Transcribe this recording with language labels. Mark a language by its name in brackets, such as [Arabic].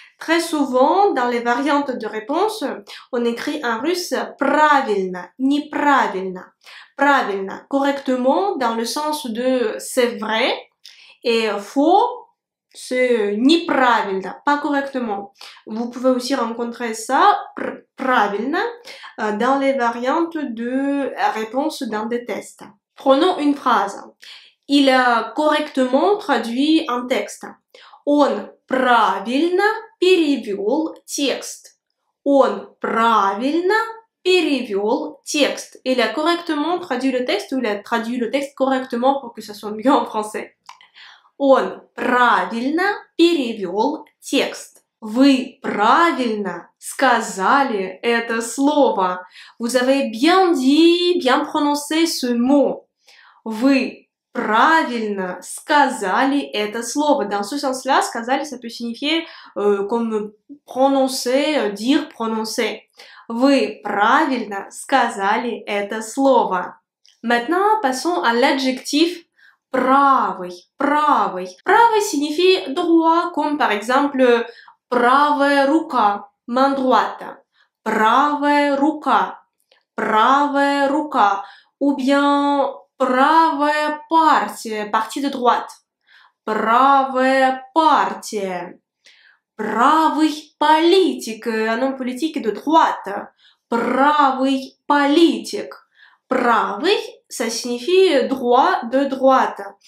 [French] Très souvent, dans les variantes de réponse, on écrit en russe правильно, неправильно, правильно, correctement dans le sens de c'est vrai et faux, c'est неправильно, pas correctement. Vous pouvez aussi rencontrer ça, правильно, dans les variantes de réponse dans des tests. Prenons une phrase. Il a correctement traduit un texte. [Russian] Он правильно перевел текст. Он правильно перевел текст. [French] Il a correctement traduit le texte ou il a traduit le texte correctement pour que ça soit mieux en français. [Russian] Он правильно перевел текст. Вы правильно сказали это слово. [French] Vous avez bien dit, bien prononcé ce mot. [Russian] Вы правильно сказали это слово. [French] Dans ce sens-là, сказали, ça peut signifier comme prononcer, dire, prononcer. [Russian] Вы правильно сказали это слово. [French] Maintenant, passons à l'adjectif. [Russian] Правый, правый. [French] Правый signifie droit, comme par exemple [Russian] правая рука, [French] main droite. [Russian] Правая рука, правая рука. [French] Ou bien [Russian] правая партия, [French] partie de droite. [Russian] Правая партия. Правый политик, [French] nom politique de droite. [Russian] Правый политик. [French] Правый, ça signifie droit, de droite.